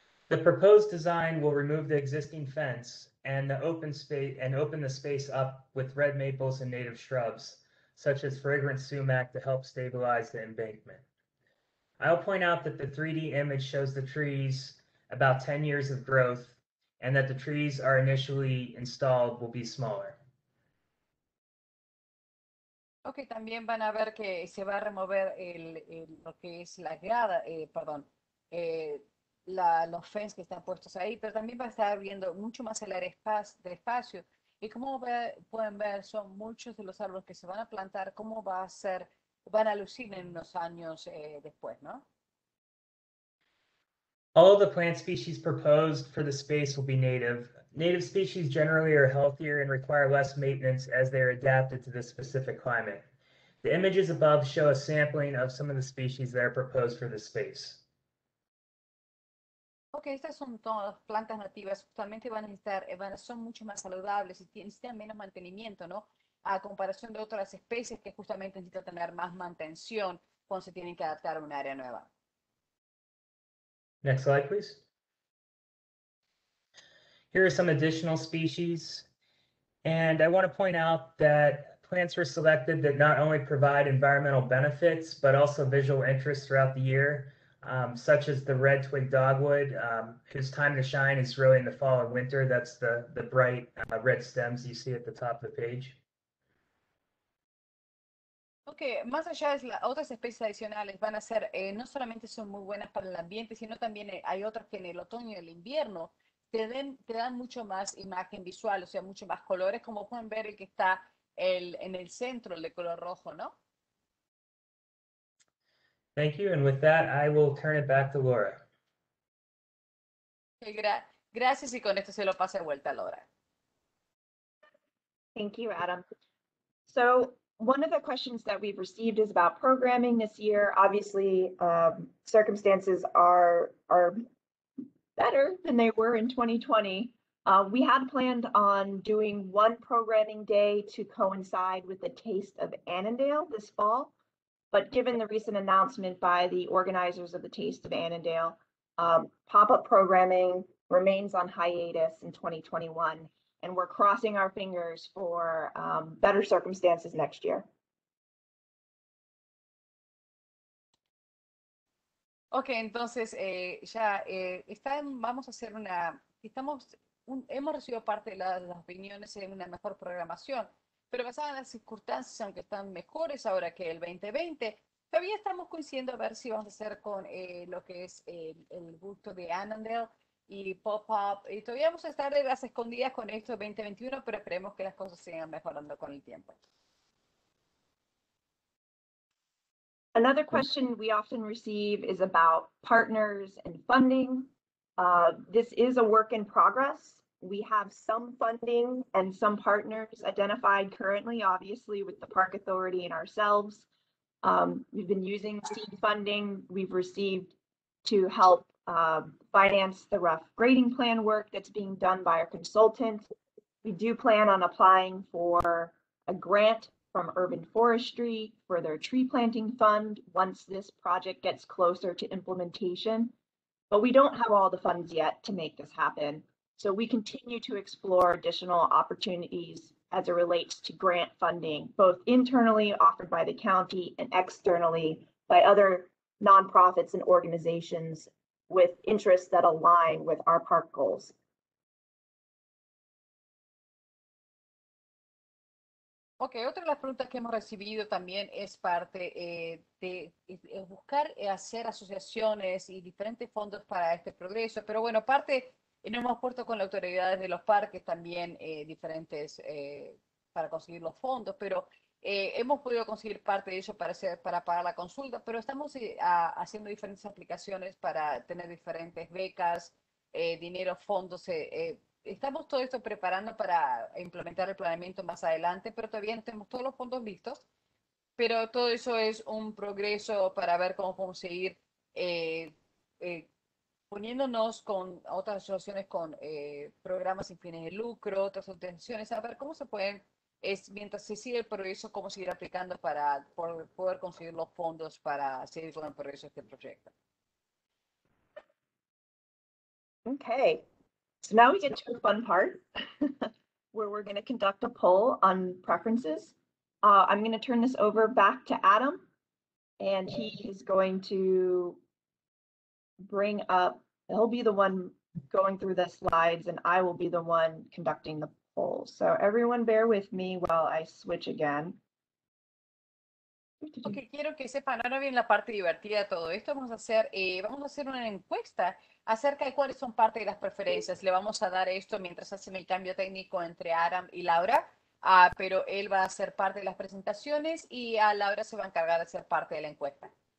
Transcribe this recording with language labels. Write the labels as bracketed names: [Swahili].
[English] The proposed design will remove the existing fence and the open space and open the space up with red maples and native shrubs, such as fragrant sumac, to help stabilize the embankment. I'll point out that the 3D image shows the trees about 10 years of growth, and that the trees are initially installed will be smaller. [Spanish] Okay, también van a ver que se va a remover el lo que es la grada, perdón, los fences que están puestos ahí, pero también va a estar viendo mucho más el área de espacio. Y como pueden ver, son muchos de los árboles que se van a plantar, cómo va a ser, van a lucir en unos años después, ¿no? [English] All the plant species proposed for the space will be native. Native species generally are healthier and require less maintenance as they are adapted to this specific climate. The images above show a sampling of some of the species that are proposed for the space. [Spanish] Okay, estas son todas plantas nativas. Justamente van a estar, son mucho más saludables y necesitan menos mantenimiento, ¿no? A comparación de otras especies que justamente necesitan tener más mantención cuando se tienen que adaptar a un área nueva. [English] Next slide, please. Here are some additional species, and I want to point out that plants were selected that not only provide environmental benefits, but also visual interest throughout the year, such as the red twig dogwood, whose time to shine is really in the fall and winter. That's the bright red stems you see at the top of the page. [Spanish] Okay, más allá de las otras especies adicionales van a ser, no solamente son muy buenas para el ambiente, sino también hay otras que en el otoño y el invierno te dan mucho más imagen visual, o sea, mucho más colores, como pueden ver el que está en el centro, el de color rojo, ¿no? [English] Thank you, and with that, I will turn it back to Laura. [Spanish] Okay, gracias, y con esto se lo paso de vuelta a Laura. [English] Thank you, Adam. So, one of the questions that we've received is about programming this year. Obviously, circumstances are better than they were in 2020. We had planned on doing one programming day to coincide with the Taste of Annandale this fall, but given the recent announcement by the organizers of the Taste of Annandale, pop-up programming remains on hiatus in 2021. And we're crossing our fingers for better circumstances next year. [Spanish] Okay, entonces ya vamos a hacer una, hemos recibido parte de las opiniones en una mejor programación, pero basada en las circunstancias, aunque están mejores ahora que el 2020, todavía estamos coincidiendo a ver si vamos a hacer con lo que es el gusto de Annandale y pop-up, y todavía vamos a estar de las escondidas con esto 2021, pero creemos que las cosas sigan mejorando con el tiempo. [English] Another question we often receive is about partners and funding. This is a work in progress. We have some funding and some partners identified currently, obviously, with the Park Authority and ourselves. We've been using seed funding we've received to help finance the rough grading plan work that's being done by our consultant. We do plan on applying for a grant from Urban Forestry for their tree planting fund once this project gets closer to implementation. But we don't have all the funds yet to make this happen. So we continue to explore additional opportunities as it relates to grant funding, both internally offered by the county and externally by other nonprofits and organizations with interests that align with our park goals. [Spanish] Ok, otra de las preguntas que hemos recibido también es parte de buscar hacer asociaciones y diferentes fondos para este progreso. Pero bueno, parte, hemos puesto con las autoridades de los parques también diferentes para conseguir los fondos, pero hemos podido conseguir parte de ellos para pagar la consulta, pero estamos haciendo diferentes aplicaciones para tener diferentes becas, dinero, fondos. Estamos todo esto preparando para implementar el planeamiento más adelante, pero todavía no tenemos todos los fondos listos. Pero todo eso es un progreso para ver cómo podemos seguir poniéndonos con otras asociaciones, con programas sin fines de lucro, otras intenciones, a ver cómo se pueden, mientras se sigue el progreso, cómo seguir aplicando para poder conseguir los fondos para seguir con el progreso de este proyecto. [English] Okay, so now we get to a fun part where we're going to conduct a poll on preferences. I'm going to turn this over back to Adam, and he is going to bring up, he'll be the one going through the slides, and I will be the one conducting the poll. So everyone bear with me while I switch again. [Spanish] Okay, quiero que sepan, ahora bien la parte divertida de todo esto, vamos a hacer una encuesta acerca de cuáles son parte de las preferencias. Le vamos a dar esto mientras hacen el cambio técnico entre Adam y Laura, pero él va a ser parte de las presentaciones y a Laura se va a encargar de ser parte de la encuesta.